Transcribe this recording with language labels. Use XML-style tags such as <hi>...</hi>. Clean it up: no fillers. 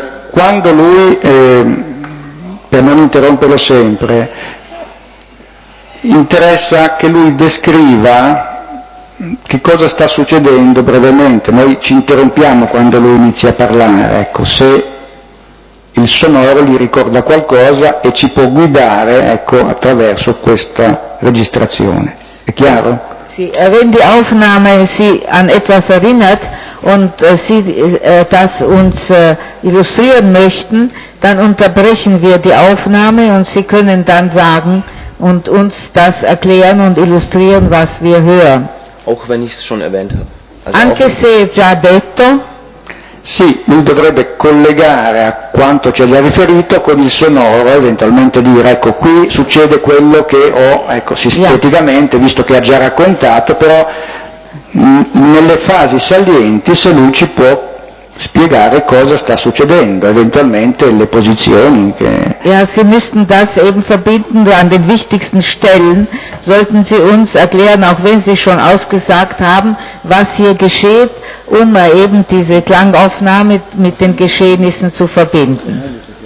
<it>Quando lui, per non interromperlo sempre, interessa che lui descriva che cosa sta succedendo brevemente, noi ci interrompiamo quando lui inizia a parlare, ecco, se il sonoro gli ricorda qualcosa e ci può guidare, ecco, attraverso questa registrazione. È chiaro?</it> <de>Sì, wenn die Aufnahme sie an etwas erinnert und sie das uns illustrieren möchten, dann unterbrechen wir die Aufnahme und sie können dann sagen und uns das erklären und illustrieren, was wir hören. Auch wenn ich es schon erwähnt habe.</de> <it>Also anche se già detto. Sì, lui dovrebbe collegare a quanto ci ha già riferito con il sonoro, eventualmente dire, ecco, qui succede quello che ho, ecco, sinteticamente, yeah, visto che ha già raccontato, però nelle fasi salienti, se lui ci può spiegare cosa sta succedendo, eventualmente le posizioni che...</it> <de>Ja, Sie müssten das eben verbinden an den wichtigsten Stellen, sollten Sie uns erklären, auch wenn Sie schon ausgesagt haben, was hier geschieht, um eben diese Klangaufnahme mit den Geschehnissen zu verbinden.</de>